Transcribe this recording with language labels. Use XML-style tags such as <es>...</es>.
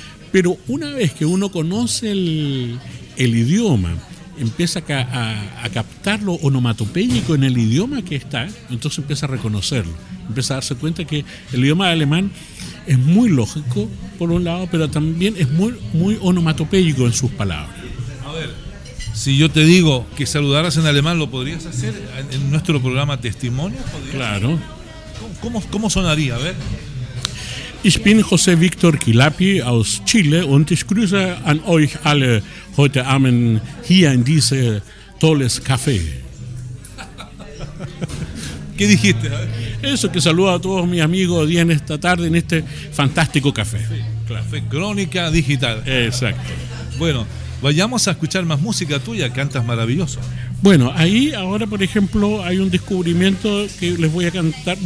<es>Pero una vez que uno conoce el idioma, empieza a captar lo onomatopéyico en el idioma que está, entonces empieza a reconocerlo, empieza a darse cuenta que el idioma alemán es muy lógico, por un lado, pero también es muy, muy onomatopéyico en sus palabras. A ver, si yo te digo que saludaras en alemán, ¿lo podrías hacer en nuestro programa Testimonio? Claro. ¿Cómo sonaría? A ver.</es> <de>Ich bin José Víctor Quilapi aus Chile und ich grüße an euch alle heute Abend hier in diese tolles Café.</de> <es>¿Qué dijiste? Eso, que saludo a todos mis amigos hoy en esta tarde en este fantástico café. Café Crónica Digital. Exacto. Bueno, vayamos a escuchar más música tuya, cantas maravilloso. Bueno, ahí ahora, por ejemplo, hay un descubrimiento que les voy a cantar.</es>